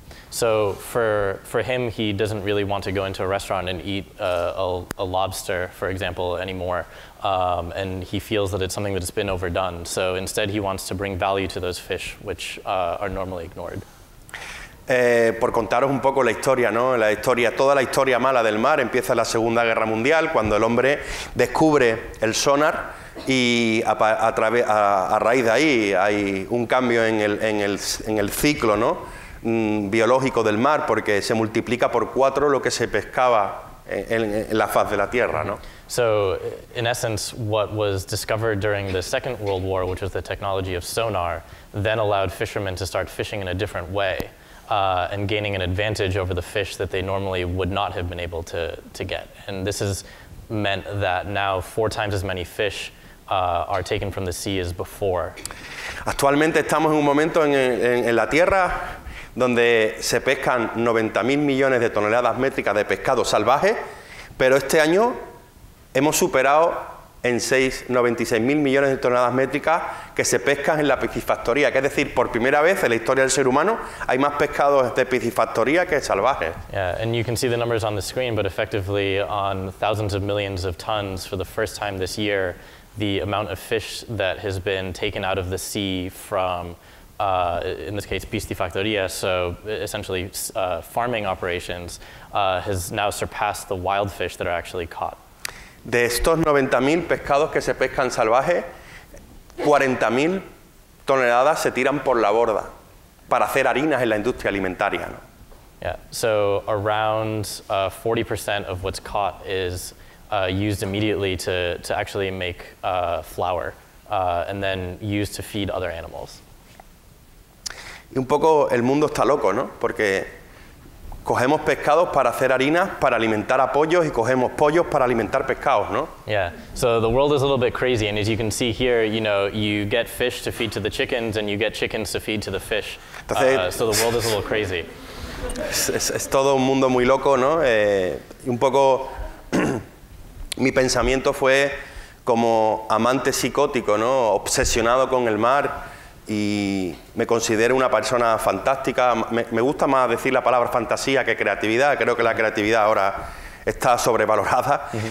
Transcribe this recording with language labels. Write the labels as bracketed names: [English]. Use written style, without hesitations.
[English] So for him, he doesn't really want to go into a restaurant and eat a lobster, for example, anymore. And he feels that it's something that has been overdone. So instead, he wants to bring value to those fish, which are normally ignored. [Spanish] Por contaros un poco la historia, ¿no? La historia, toda la historia mala del mar empieza en la Segunda Guerra Mundial, cuando el hombre descubre el sonar, y a raíz de ahí hay un cambio en el ciclo, ¿no? Biológico del mar, porque se multiplica por cuatro lo que se pescaba en la faz de la tierra, ¿no? [English] So, in essence, what was discovered during the Second World War, which was the technology of sonar, then allowed fishermen to start fishing in a different way, and gaining an advantage over the fish that they normally would not have been able to get. And this has meant that now four times as many fish are taken from the sea as before. [Spanish] Actualmente estamos en un momento en la tierra donde se pescan 90.000 millones de toneladas métricas de pescado salvaje, pero este año hemos superado en 96.000 millones de toneladas métricas que se pescan en la piscifactoría, que es decir, por primera vez en la historia del ser humano hay más pescados de piscifactoría que salvajes. [English] Yeah, and you can see the numbers on the screen, but effectively on thousands of millions of tons for the first time this year, the amount of fish that has been taken out of the sea from in this case, piscifactoría, so essentially farming operations, has now surpassed the wild fish that are actually caught. [Spanish] De estos 90.000 pescados que se pescan salvajes, 40.000 toneladas se tiran por la borda para hacer harinas en la industria alimentaria, ¿no? [English] Yeah, so around 40% of what's caught is used immediately to actually make flour, and then used to feed other animals. [Spanish] Y un poco el mundo está loco, ¿no? Porque cogemos pescados para hacer harinas para alimentar a pollos y cogemos pollos para alimentar pescados, ¿no? [English] Yeah, so the world is a little bit crazy, and as you can see here, you know, you get fish to feed to the chickens and you get chickens to feed to the fish. [Spanish] Entonces, [English] so the world is a little crazy. [Spanish] Es todo un mundo muy loco, ¿no? Un poco mi pensamiento fue como amante psicótico, ¿no? Obsesionado con el mar. Y me considero una persona fantástica. Me gusta más decir la palabra fantasía que creatividad. Creo que la creatividad ahora está sobrevalorada.